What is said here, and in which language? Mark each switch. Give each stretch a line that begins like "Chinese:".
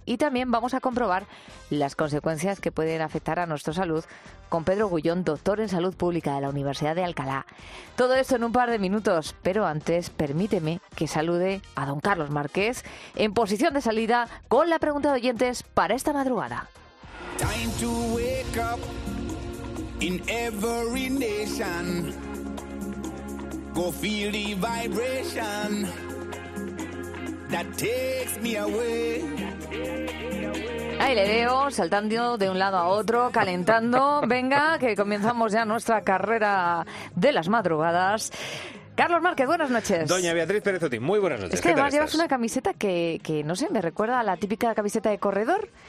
Spanish: Y también vamos a comprobar las consecuencias que pueden afectar a nuestra salud con Pedro Gullón, doctor en salud pública de la Universidad de Alcalá. Todo esto en un par de minutos, pero antes permíteme que salude a don Carlos Márquez en posición de salida con la pregunta de oyentes para esta madrugada.
English: Time to wake up. In every nation, go feel the vibration that takes me away.
Spanish: Ahí le veo, saltando de un lado a otro, calentando. Venga, que comenzamos ya nuestra carrera de las madrugadas. Carlos Márquez, buenas noches. Doña Beatriz Pérez Otín, muy buenas noches. Es que además llevas una camiseta que no sé, me recuerda a la típica camiseta de corredor.